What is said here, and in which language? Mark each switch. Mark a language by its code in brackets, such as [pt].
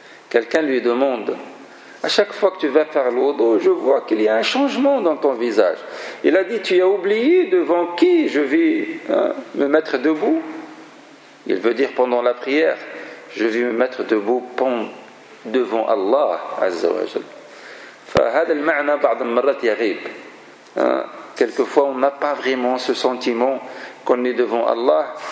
[fr] Quelqu'un lui demande, à chaque fois que tu vas faire l'wudu, je vois qu'il y a un changement dans ton visage. Il a dit, tu as oublié devant qui je vais me mettre debout. Il veut dire pendant la prière, je vais me mettre debout devant Allah, Azza wa Jal. [ar] فهذا المعنى بعض المرات يغيب. [fr] Quelquefois, on n'a pas vraiment ce sentiment qu'on est devant Allah.